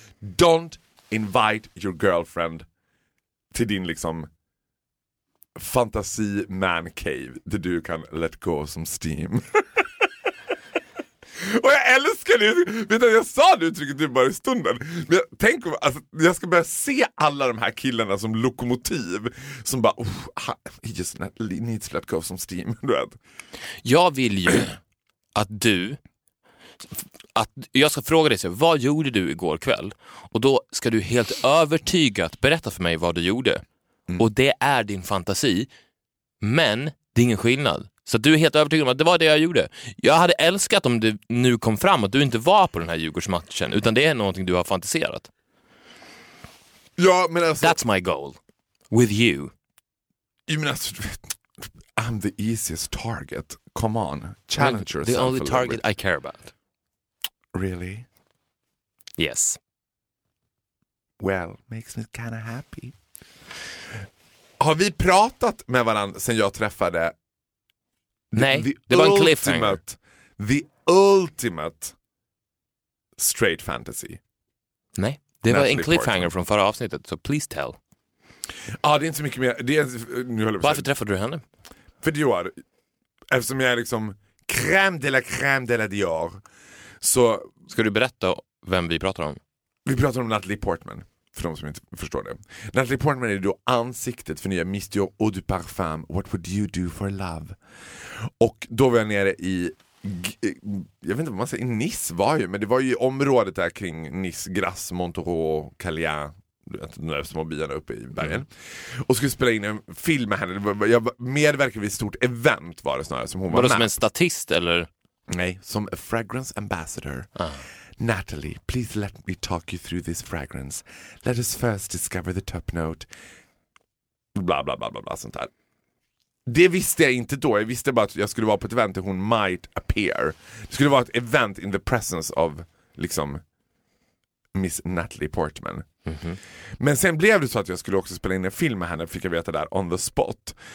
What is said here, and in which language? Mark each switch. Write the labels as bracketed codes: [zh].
[en] Don't invite your girlfriend [sv] till din liksom [en] fantasy man cave [sv] där du kan [en] let go of some steam. [sv] Och jag älskar det. Vet du, jag sa det uttrycket typ bara i stunden. Men jag, tänk, alltså, jag ska börja se alla de här killarna som lokomotiv. Som bara, [en] he just needs to let go of some steam. [sv] Du vet. Jag vill ju att du, att jag ska fråga dig, så vad gjorde du igår kväll? Och då ska du helt övertygat berätta för mig vad du gjorde. Mm. Och det är din fantasi. Men det är ingen skillnad. Så du är helt övertygad om att det var det jag gjorde. Jag hade älskat om det nu kom fram att du inte var på den här Djurgårdsmatchen, utan det är någonting du har fantiserat. Ja, men alltså, [en] that's my goal. With you. [sv] Jag menar, alltså, [en] I'm the easiest target. Come on. Challenge yourself. The only target I care about. Really? Yes. Well, makes me kinda happy. [sv] Har vi pratat med varandra sen jag träffade? Nej, det var en cliffhanger. [en] The ultimate straight fantasy. [sv] Nej, det var en cliffhanger från förra avsnittet, så [en] please tell. [sv] Ja, det är inte så mycket mer. Det är, nu håller jag på. Varför träffade du henne? För Dior. Eftersom jag är liksom crème de la Dior. Så ska du berätta vem vi pratar om? Vi pratar om Natalie Portman, för de som inte förstår det. Natalie Portman är då ansiktet för nya Miss Dior Eau de Parfum, What Would You Do For Love. Och då var jag nere i, jag vet inte vad man säger, Nice var ju, men det var ju området där kring Nice, Grasse, Montereau, Callien, de där små byarna uppe i bergen. Mm. Och skulle spela in en film med henne. Jag medverkade vid ett stort event, var det snarare, som hon var med. Som en statist eller? Nej, som [en] a fragrance ambassador. Natalie, please let me talk you through this fragrance. Let us first discover the top note. [sv] Bla bla bla bla bla, sånt här. Det visste jag inte då. Jag visste bara att jag skulle vara på ett event där hon [en] might appear. [sv] Det skulle vara ett event [en] in the presence of [sv] liksom Miss Natalie Portman. Mm-hmm. Men sen blev det så att jag skulle också spela in en film med henne, fick jag veta där, [en] on the spot.